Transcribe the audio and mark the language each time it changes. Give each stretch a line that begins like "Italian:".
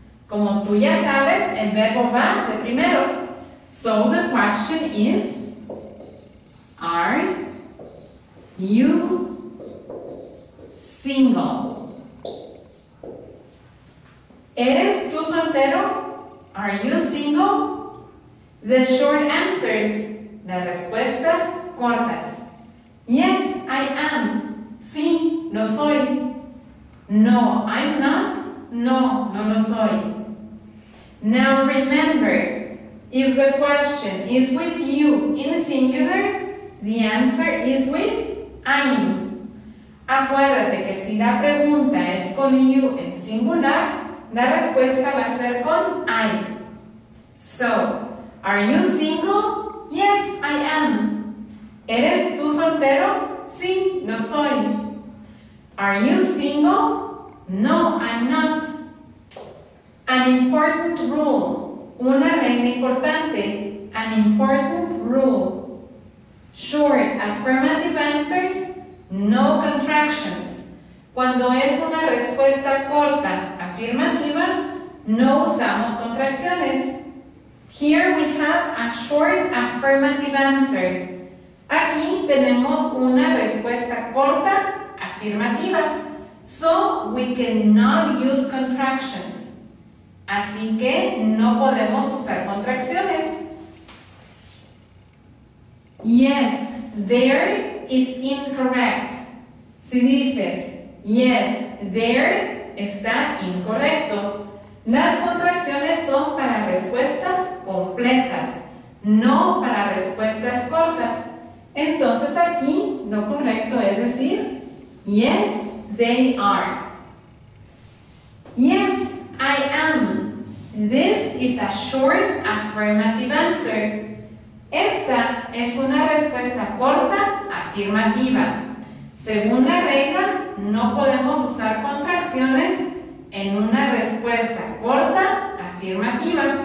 Spanish: Como tú ya sabes, el verbo va de primero.
English: So the question is, are you single?
Spanish: ¿Eres tú soltero?
English: Are you single? The short answers.
Spanish: Las respuestas cortas.
English: Yes, I am.
Spanish: Sí, no soy.
English: No, I'm not.
Spanish: No, no lo soy.
English: Now remember, if the question is with you in singular, the answer is with I'm.
Spanish: Acuérdate que si la pregunta es con you en singular, la respuesta va a ser con I.
English: So, are you single? Yes, I am.
Spanish: ¿Eres tú soltero? Sí, no soy.
English: Are you single? No, I'm not. An important rule.
Spanish: Una regla importante.
English: An important rule. Short affirmative answers. No contractions.
Spanish: Cuando es una respuesta corta, afirmativa, no usamos contracciones.
English: Here we have a short affirmative answer.
Spanish: Aquí tenemos una respuesta corta, afirmativa.
English: So we cannot use contractions.
Spanish: Así que no podemos usar contracciones.
English: Yes, there is incorrect.
Spanish: Si dices
English: yes, there,
Spanish: está incorrecto. Las contracciones son para respuestas completas, no para respuestas cortas. Entonces aquí lo correcto es decir
English: yes, they are. Yes, I am. This is a short affirmative answer.
Spanish: Esta es una respuesta corta afirmativa. Según la regla, no podemos usar contracciones en una respuesta corta afirmativa.